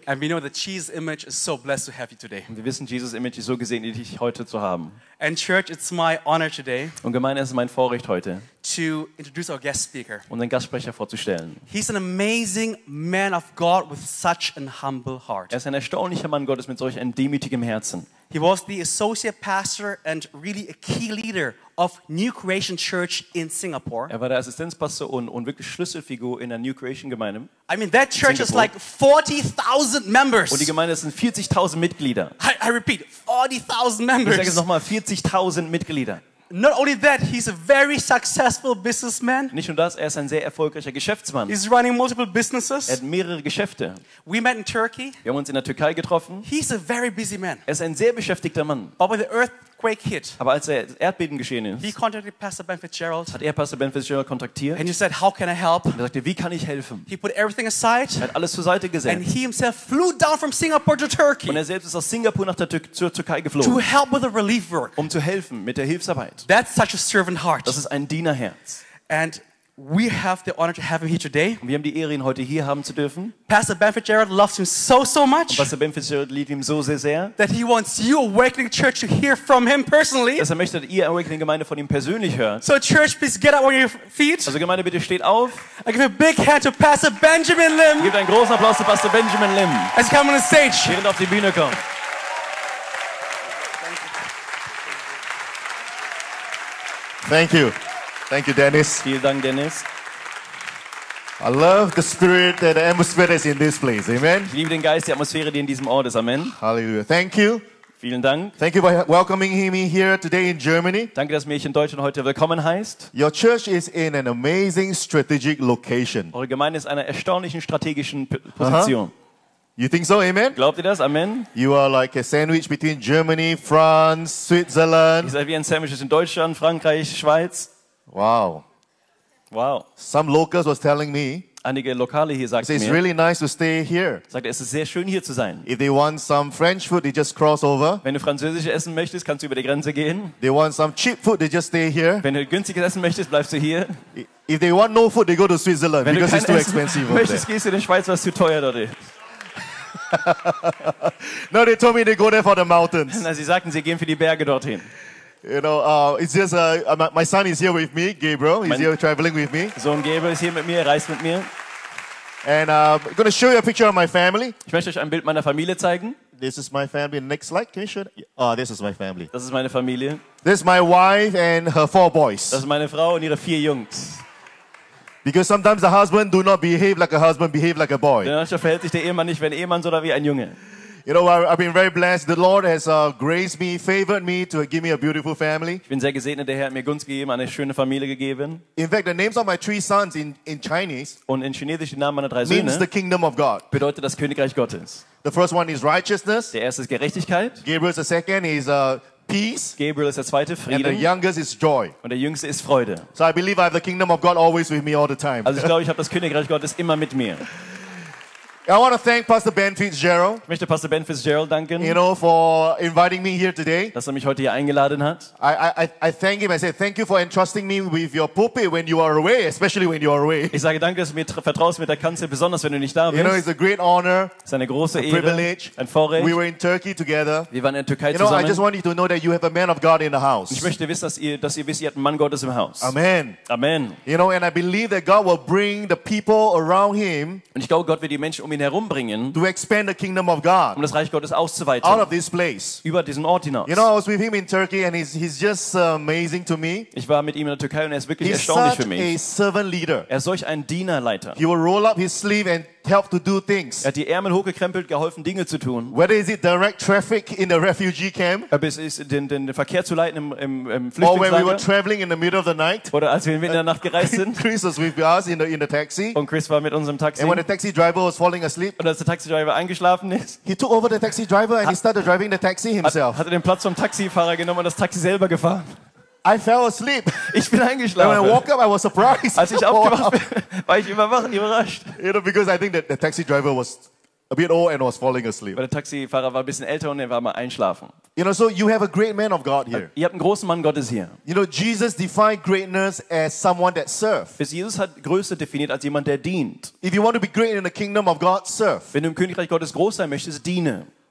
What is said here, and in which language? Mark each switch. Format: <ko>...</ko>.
<en>And we know that Jesus Image is so blessed to have you today.</en> <de>Und wir wissen, Jesus Image ist so gesegnet, dich heute zu haben.</de> <en>And church, it's my honor today.</en> <de>Und Gemeinde, es ist mein Vorrecht heute.</de> <en>To introduce our guest speaker.</en> <de>Um den Gastsprecher vorzustellen.</de> <en>He's an amazing man of God with such an humble heart.</en> <de>Er ist ein erstaunlicher Mann Gottes mit solch einem demütigen Herzen.</de> <en>He was the associate pastor and really a key leader of New Creation Church in Singapore.</en> <de>Er war der Assistenzpastor und wirklich Schlüsselfigur in der New Creation Gemeinde.</de> <en>I mean, that church is like 40,000 members.</en> <de>Und die Gemeinde sind 40,000 Mitglieder.</de> <en>I repeat, 40,000 members.</en> <de>Ich sage es nochmal, 40,000 Mitglieder.</de> <en>Not only that, he's a very successful businessman.</en> <de>Nicht nur das, er ist ein sehr erfolgreicher Geschäftsmann.</de> <en>He's running multiple businesses.</en> <de>Er hat mehrere Geschäfte.</de> <en>We met in Turkey.</en> <de>Wir haben uns in der Türkei getroffen.</de> <en>He's a very busy man.</en> <de>Er ist ein sehr beschäftigter Mann.</de> <en>But when the earthquake hit,</en> <de>aber als das Erdbeben geschehen ist,</de> <en>he contacted Pastor Ben Fitzgerald.</en> <de>Hat er Pastor Ben Fitzgerald kontaktiert?</de> <en>And he said, "How can I help?"</en> <de>Und er sagte, wie kann ich helfen?</de> <en>He put everything aside.</en> <de>Er hat alles zur Seite gesetzt.</de> <en>And he himself flew down from Singapore to Turkey.</en> <de>Und er selbst ist aus Singapur nach der Türkei geflogen.</de> <en>To help with the relief work.</en> <de>Um zu helfen mit der Hilfsarbeit.</de> <en>That's such a servant heart.</en> <de>Das ist ein Dienerherz.</de> <en>And we have the honor to have him here today.</en> <de>Und wir haben die Ehre, ihn heute hier haben zu dürfen.</de> <en>Pastor Ben Fitzgerald loves him so much.</en> <de>Und Pastor Ben Fitzgerald liebt ihn so sehr.</de> <en>That he wants you, Awakening Church, to hear from him personally.</en> <de>Dass er möchte, dass ihr Awakening Gemeinde von ihm persönlich hört.</de> <en>So church, please get up on your feet.</en> <de>Also Gemeinde, bitte steht auf.</de> <en>I give a big hand to Pastor Benjamin Lim.</en> <de>Gebt einen großen Applaus zu Pastor Benjamin Lim.</de> <en>As he comes on the stage.</en> <de>Während er auf die Bühne kommt.</de> <en>Thank you. Thank you, Dennis.</en> <de>Vielen Dank, Dennis.</de> <en>I love the spirit and the atmosphere that's in this place. Amen.</en> <de>Ich liebe den Geist, die Atmosphäre, die in diesem Ort ist. Amen.</de> <en>Hallelujah. Thank you.</en> <de>Vielen Dank.</de> <en>Thank you for welcoming me here today in Germany.</en> <de>Danke, dass mich in Deutschland heute willkommen heißt.</de> <en>Your church is in an amazing strategic location.</en> <de>Eure Gemeinde ist in einer erstaunlichen strategischen Position.</de> <en>You think so? Amen.</en> <de>Glaubt ihr das? Amen.</de> <en>You are like a sandwich between Germany, France, Switzerland.</en> <de>Ihr seid wie ein Sandwich in Deutschland, Frankreich, Schweiz.</de> <en>Wow.</en> <de>Wow.</de> <en>Some locals was telling me.</en> <de>Einige Lokale hier sagten mir.</de> <en>It's really nice to stay here.</en> <de>Sagt, es ist sehr schön hier zu sein.</de> <en>If they want some French food, they just cross over.</en> <de>Wenn du französisch essen möchtest, kannst du über die Grenze gehen.</de> <en>They want some cheap food, they just stay here.</en> <de>Wenn du günstiges essen möchtest, bleibst du hier.</de> <en>If they want no food, they go to Switzerland because it's too expensive.</en> <de>Wenn du möchtest, gehst du in die Schweiz, was zu teuer dort ist.</de> <en>No, they told me they go there for the mountains.</en> <de>Na, sie sagten, sie gehen für die Berge dorthin.</de> <en>You know, it's just my son is here with me, Gabriel. He's here traveling with me.</en> <de>Sohn Gabriel ist hier mit mir, reist mit mir.</de> <en>And I'm going to show you a picture of my family.</en> <de>Ich möchte euch ein Bild meiner Familie zeigen.</de> <en>This is my family. Next slide, can you show it? Oh, this is my family.</en> <de>Das ist meine Familie.</de> <en>This is my wife and her four boys.</en> <de>Das ist meine Frau und ihre vier Jungs.</de> <en>Because sometimes the husband do not behave like a husband, behave like a boy.</en> <de>Denn manchmal verhält sich der Ehemann nicht wie ein Ehemann, sondern wie ein Junge.</de> <en>You know, I've been very blessed. The Lord has graced me, favored me to give me a beautiful family.</en> <de>Ich bin sehr gesegnet. Der Herr hat mir Gunst gegeben, eine schöne Familie gegeben.</de> <en>In fact, the names of my three sons in Chinese</en> <de>und in Chinesisch die Namen meiner drei</de> <en>means</en> <de>Söhne</de> <en>the kingdom of God.</en> <de>Bedeutet das Königreich Gottes.</de> <en>The first one is righteousness.</en> <de>Der erste ist Gerechtigkeit.</de> <en>Gabriel, the second is peace.</en> <de>Gabriel ist der zweite Frieden.</de> <en>And the youngest is joy.</en> <de>Und der jüngste ist Freude.</de> <en>So I believe I have the kingdom of God always with me all the time.</en> <de>Also ich glaube, ich habe das Königreich Gottes immer mit mir.</de> <en>I want to thank Pastor Ben Fitzgerald.</en> <de>Ich möchte Pastor Ben Fitzgerald danken.</de> <en>You know, for inviting me here today.</en> <de>Dass er mich heute hier eingeladen hat.</de> <en>I thank him. I say thank you for entrusting me with your pulpit when you are away, especially when you are away.</en> <de>Ich sage danke, dass du mir vertraust mit der Kanzel, besonders wenn du nicht da bist.</de> <en>You know, it's a great honor.</en> <de>Es ist eine große Ehre.</de> <en>A privilege.</en> <de>Ein Vorrecht.</de> <en>We were in Turkey together.</en> <de>Wir waren in Türkei</de> <en>you</en> <de>zusammen.</de> <en>You know, I just want you to know that you have a man of God in the house.</en> <de>Ich möchte wissen, dass ihr wisst, ihr habt einen Mann Gottes im Haus.</de> <en>Amen.</en> <de>Amen.</de> <en>You know, and I believe that God will bring the people around him.</en> <de>Und ich glaube, Gott wird die Menschen um ihn herumbringen,</de> <en>to expand the kingdom of God,</en> <de>um das Reich Gottes auszuweiten,</de> <en>out of this place,</en> <de>über diesen Ort hinaus.</de> <en>You know, I was with him in Turkey, and he's just amazing to me.</en> <de>Ich war mit ihm in der Türkei, und er ist wirklich</de> <en>he's</en> <de>erstaunlich für mich.</de> <en>He's such a servant leader.</en> <de>Er ist solch ein Dienerleiter.</de> <en>He will roll up his sleeve and help to do things.</en> <de>Er hat die Ärmel hochgekrempelt, geholfen Dinge zu tun.</de> <en>Whether is it direct traffic in a refugee camp,</en> <de>ob es ist den Verkehr zu leiten im Flüchtlingslager,</de> <en>or when we were traveling in the middle of the night,</en> <de>oder als wir mitten in der Nacht gereist sind.</de> <en>Chris was with us in the taxi,</en> <de>und Chris war mit unserem Taxi.</de> <en>And when the taxi driver was falling asleep,</en> <de>und als der Taxi-Driver eingeschlafen ist,</de> <en>he took over the taxi driver and he started driving the taxi himself.</en> <de>Hat er den Platz vom Taxifahrer genommen und das Taxi selber gefahren.</de> <en>I fell asleep.</en> <de>Ich bin eingeschlafen.</de> <en>When I woke up, I was surprised.</en> <de>Als ich aufgewacht bin, war ich überrascht.</de> <en>You know, because I think that the taxi driver was a bit old and was falling asleep.</en> <de>Weil der Taxifahrer war ein bisschen älter und er war mal einschlafen.</de> <en>You know, so you have a great man of God here.</en> <de>Ihr habt einen großen Mann Gottes hier.</de> <en>You know, Jesus defined greatness as someone that serves.</en> <de>Jesus hat Größe definiert als jemand, der dient.</de> <en>If you want to be great in the kingdom of God, serve.</en> <de>Wenn du im Königreich Gottes groß sein möchtest, diene.</de>